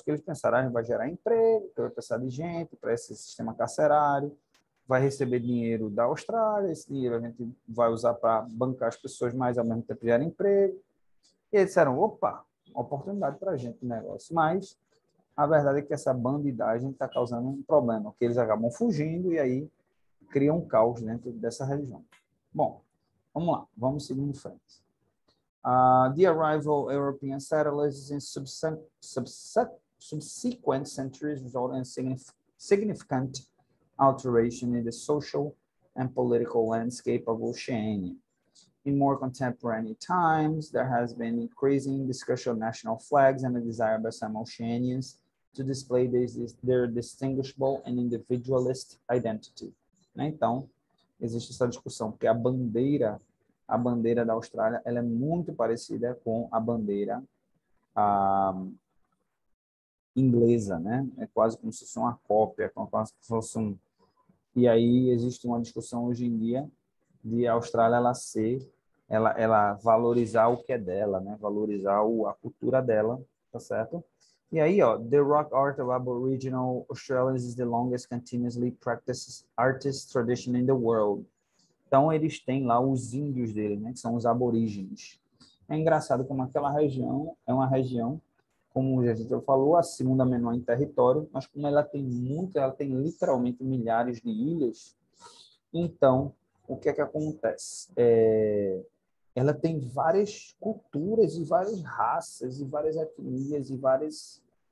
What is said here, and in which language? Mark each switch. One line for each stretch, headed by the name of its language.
Portuguese: Porque eles pensaram: ah, vai gerar emprego, vai precisar de gente para esse sistema carcerário, vai receber dinheiro da Austrália, esse dinheiro a gente vai usar para bancar as pessoas, mas ao mesmo tempo gerar emprego. E eles disseram: opa, oportunidade para a gente o negócio. Mas a verdade é que essa bandidagem está causando um problema, que eles acabam fugindo, e aí cria um caos dentro dessa região. Bom, vamos lá, vamos seguir em frente.
English: The arrival of European settlers in subsequent centuries resulted in significant alteration in the social and political landscape of Oceania. In more contemporary times, there has been increasing discussion of national flags and a desire by some Oceanians to display their distinguishable and individualist identity.
Portuguese: Né? Então, existe essa discussão, porque a bandeira da Austrália, ela é muito parecida com a bandeira inglesa, né? É quase como se fosse uma cópia, quase como se fosse um. E aí existe uma discussão hoje em dia de a Austrália ela valorizar o que é dela, né? Valorizar a cultura dela, tá certo? E aí, ó,
English: the rock art of Aboriginal Australians is the longest continuously practiced artist tradition in the world.
Portuguese: Então, eles têm lá os índios dele, né, que são os aborígenes. É engraçado como aquela região é uma região, como já falou, a segunda menor em território, mas como ela tem muito, ela tem literalmente milhares de ilhas. Então, o que é que acontece? Ela tem várias culturas e várias raças e várias etnias e várias